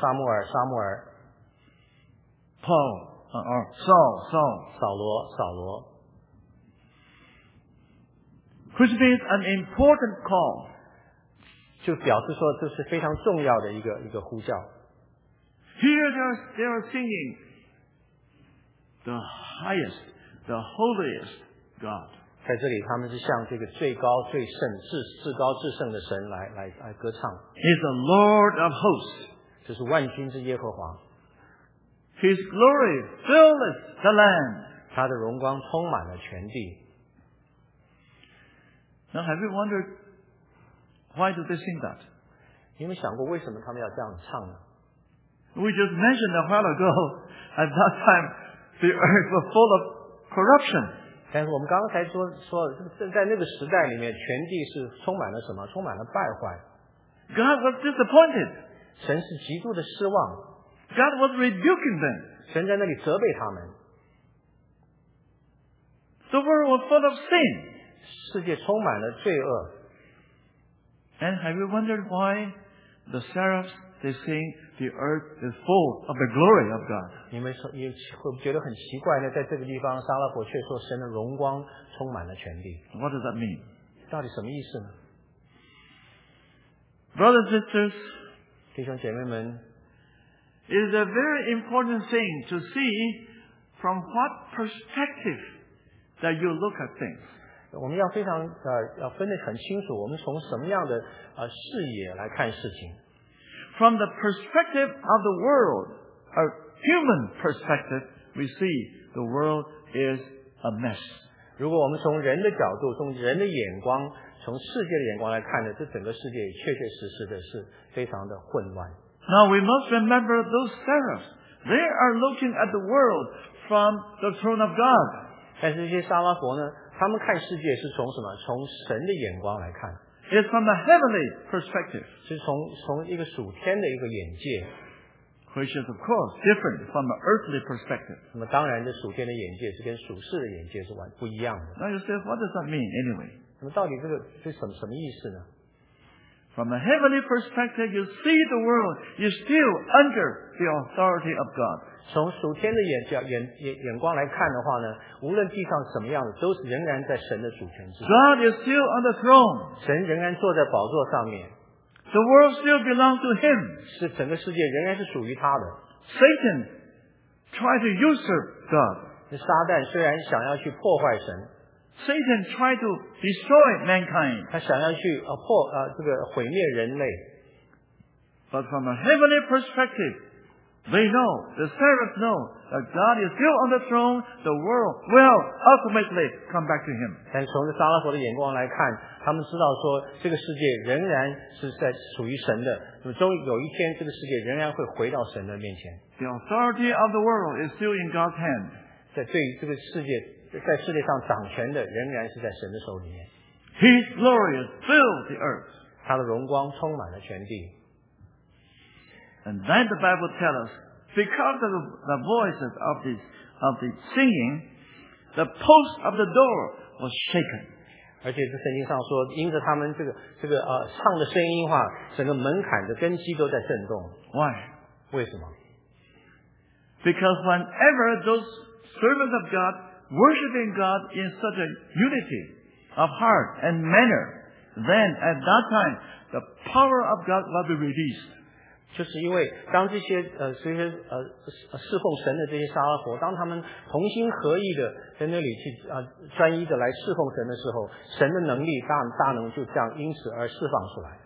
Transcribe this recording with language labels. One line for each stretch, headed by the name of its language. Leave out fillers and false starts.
Chinese: 撒母耳，撒母耳。
English: Paul。 Saul, Saul.
Chinese: 扫罗，扫罗。
English: Which means an important call.
Chinese: 就表示说这是非常重要的一个呼叫。
English: Here they are singing the highest, the holiest God.
Chinese: 在这里他们是向这个最高最圣至高至圣的神来歌唱。
English: He's the Lord of hosts.
Chinese: 这是万军之耶和华。
English: His glory fills the land.
Chinese: 他的荣光充满了全地。
English: Now have you wondered why do they sing that?
Chinese: 你有想过为什么他们要这样唱呢？
English: We just mentioned a while ago, at that time, the earth was full of corruption.
Chinese: 但是我们刚才说在那个时代里面全地是充满了什么？充满了败坏。
English: God was disappointed.
Chinese: 神是极度的失望。
English: God was rebuking them.
Chinese: 神在那里责备他们。
English: The world was full of sin.
Chinese: 世界充满了罪恶。
English: And have you wondered why the seraphs they sing the earth is full of the glory of God?
Chinese: 你们会觉得很奇怪呢，在这个地方，撒拉伯却说神的荣光充满了全地。
English: What does that mean?
Chinese: 到底什么意思呢
English: ？Brothers and sisters,
Chinese: 弟兄姐妹们。
English: It is a very important thing to see from what perspective that you look at things.
Chinese: 我们要非常要分得很清楚，我们从什么样的视野来看事情。
English: From the perspective of the world, a human perspective, we see the world is a mess.
Chinese: 如果我们从人的角度，从人的眼光，从世界的眼光来看呢，这整个世界也确确实实的是非常的混乱。
English: Now we must remember those seraphs. They are looking at the world from the throne of God.
Chinese: 但是这些沙拉佛呢，他们看世界是从什么？从神的眼光来看。
English: It's from a heavenly perspective.
Chinese: 是从一个属天的一个眼界。
English: Which is of course different from an earthly perspective.
Chinese: 那么当然这属天的眼界是跟属世的眼界是完不一样的。
English: Now you say, what does that mean anyway?
Chinese: 那么到底这什么意思呢？
English: From a heavenly perspective, you see the world, you're still under the authority of God.
Chinese: 从属天的眼光来看的话呢，无论地上什么样子，都是仍然在神的主权之
English: 下。God is still on the throne.
Chinese: 神仍然坐在宝座上面。
English: The world still belongs to him.
Chinese: 是整个世界仍然是属于他的。
English: Satan tried to usurp God.
Chinese: 撒旦虽然想要去破坏神。
English: Satan tried to destroy mankind.
Chinese: 他想要去毁灭人类。
English: But from a heavenly perspective, they know, the seraphs know, that God is still on the throne, the world will ultimately come back to him.
Chinese: 但从撒拉佛的眼光来看，他们知道说这个世界仍然是在属于神的，那么终于有一天这个世界仍然会回到神的面前。
English: The authority of the world is still in God's hand.
Chinese: 对于这个世界在世界上掌权的仍然是在神的手里面。
English: His glory filled the earth.
Chinese: 他的荣光充满了全地。
English: And then the Bible tells us, because of the voices of the singing, the post of the door was shaken.
Chinese: 而且在圣经上说，因着他们这个唱的声音的话，整个门槛的根基都在震动。
English: Why?
Chinese: 为什么？
English: Because whenever those servants of God worshiping God in such a unity of heart and manner, then at that time, the power of God will be released.
Chinese: 就是因为当这些侍奉神的这些沙拉佛，当他们同心合意的在那里去专一的来侍奉神的时候，神的能力大能就这样因此而释放出来。